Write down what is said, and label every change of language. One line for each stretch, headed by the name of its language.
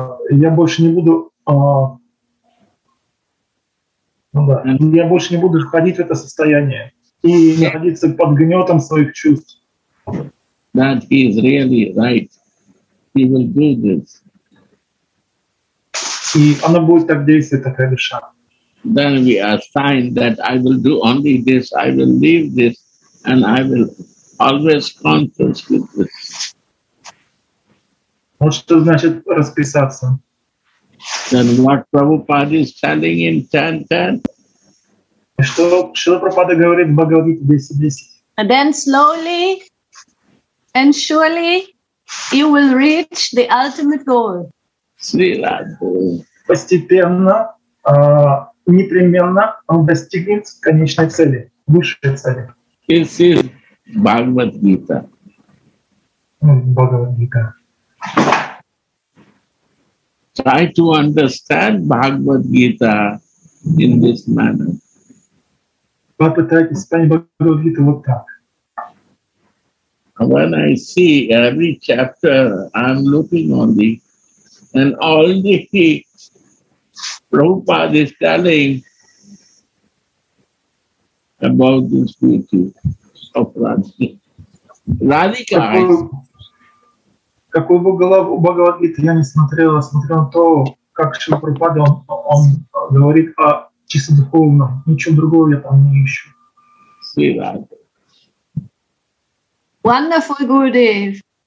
Russian: Я больше не буду, я больше не буду входить в это состояние и находиться под гнетом своих чувств.
English: That he is really right. He will do this.
Russian: И она будет так действовать, такая душа.
English: Then we assign that I will do only this, I will leave this. And I will always conscious with this.
Russian: Вот что значит расписаться.
English: Then what Prabhupada is telling in 10-10?
Russian: Шрила Прабхупада говорит в Бхагавад-гите 10.10.
English: And then slowly and surely you will reach the ultimate goal.
Russian: Шрила. Постепенно, непременно он достигнет конечной цели, высшей цели.
English: This is Бхагавад-гита.
Russian: Бхагавад-гита.
English: Try to understand Bhagavad-gita in this manner.
Russian: Попытайтесь понять Бхагавад-гиту вот так.
English: When I see every chapter, I'm looking only, and all the things Prabhupada is telling about this beauty of Radhika.
Russian: Какую бы главу Бхагавад-гиты я не смотрел, а смотрел то, как Шрила Прабхупада, он говорит о чисто духовном. Ничего другого я там не ищу.
English: Wonderful Gurudev.